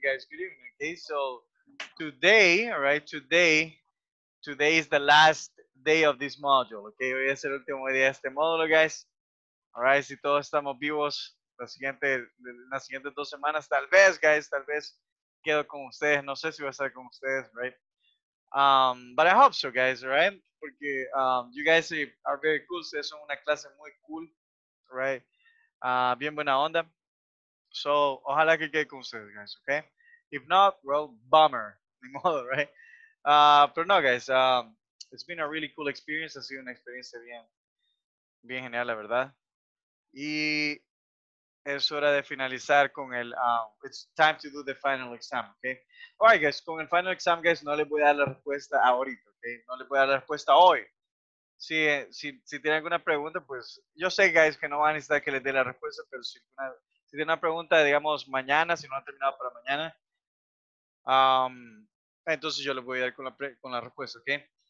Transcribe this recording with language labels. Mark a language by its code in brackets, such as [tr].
[en] Okay, so today, all right, today is the last day of this module. [es] Okay, hoy es el último día de este módulo, guys. [en] All right, [es] si todos estamos vivos, las siguientes dos semanas, tal vez quedo con ustedes. No sé si voy a estar con ustedes, right? [en] But I hope so, guys, right? Porque you guys are very cool. [es] Ustedes son una clase muy cool, right? Bien buena onda. So, ojalá que quede con ustedes, guys, okay? [en] If not, well, bummer. [es] Ni modo, right? Pero no, guys. [en] It's been a really cool experience. [es] Ha sido una experiencia bien genial, la verdad. Y es hora de finalizar con el... [en] it's time to do the final exam, okay? All right, guys. [es] Con el final exam, guys, no les voy a dar la respuesta ahorita. No le voy a dar la respuesta hoy. Si tiene alguna pregunta, pues yo sé, guys, que no van a necesitar que les dé la respuesta, pero si tiene una pregunta, digamos, mañana, si no ha terminado para mañana, entonces yo les voy a dar con la respuesta, ¿ok?